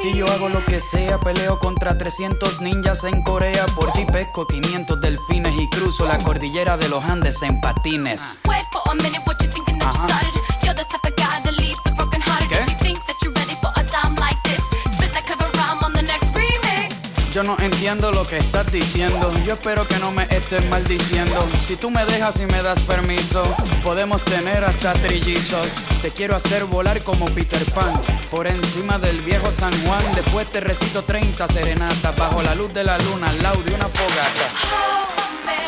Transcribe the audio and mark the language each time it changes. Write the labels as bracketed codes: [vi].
[es] Hago lo que sea, peleo contra 300 ninjas en Corea. Por ti pesco 500 delfines y cruzo la cordillera de los Andes en patines. [en] Wait for a minute, what you thinking that you started? You're the type of guy that leaves a broken hearted. [es] ¿Qué? [en] If you think that you're ready for a dime like this, spit that cover rhyme on the next remix. [es] Yo no entiendo lo que estás diciendo. Yo espero que no me estés maldiciendo. Si tú me dejas y me das permiso, podemos tener hasta trillizos. Te quiero hacer volar como Peter Pan por encima del viejo San Juan. Después te recito 30 serenatas bajo la luz de la luna al lado de una fogata.